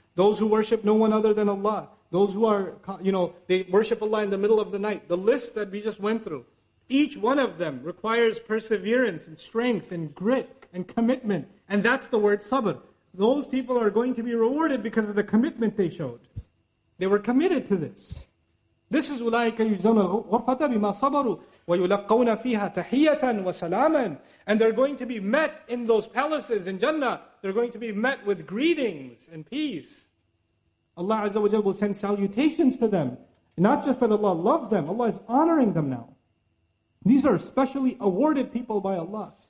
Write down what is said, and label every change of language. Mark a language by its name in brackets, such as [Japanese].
[English] Those who worship no one other than Allah, those who are, they worship Allah in the middle of the night. The list that we just went through, each one of them requires perseverance and strength and grit and commitment. And that's the word sabr. Those people are going to be rewarded because of the commitment they showed. They were committed to this. This is [Arabic] أُولَٰئِكَ يُجْزَوْنَ الْغُرْفَةَ بِمَا صَبَرُوا وَيُلَقَّوْنَ فِيهَا تَحِيَّةً وَسَلَامًا. [English] And they're going to be met in those palaces in Jannah. They're going to be met with greetings and peace. Allah Azza wa Jalla will send salutations to them. Not just that Allah loves them, Allah is honoring them now. These are specially awarded people by Allah.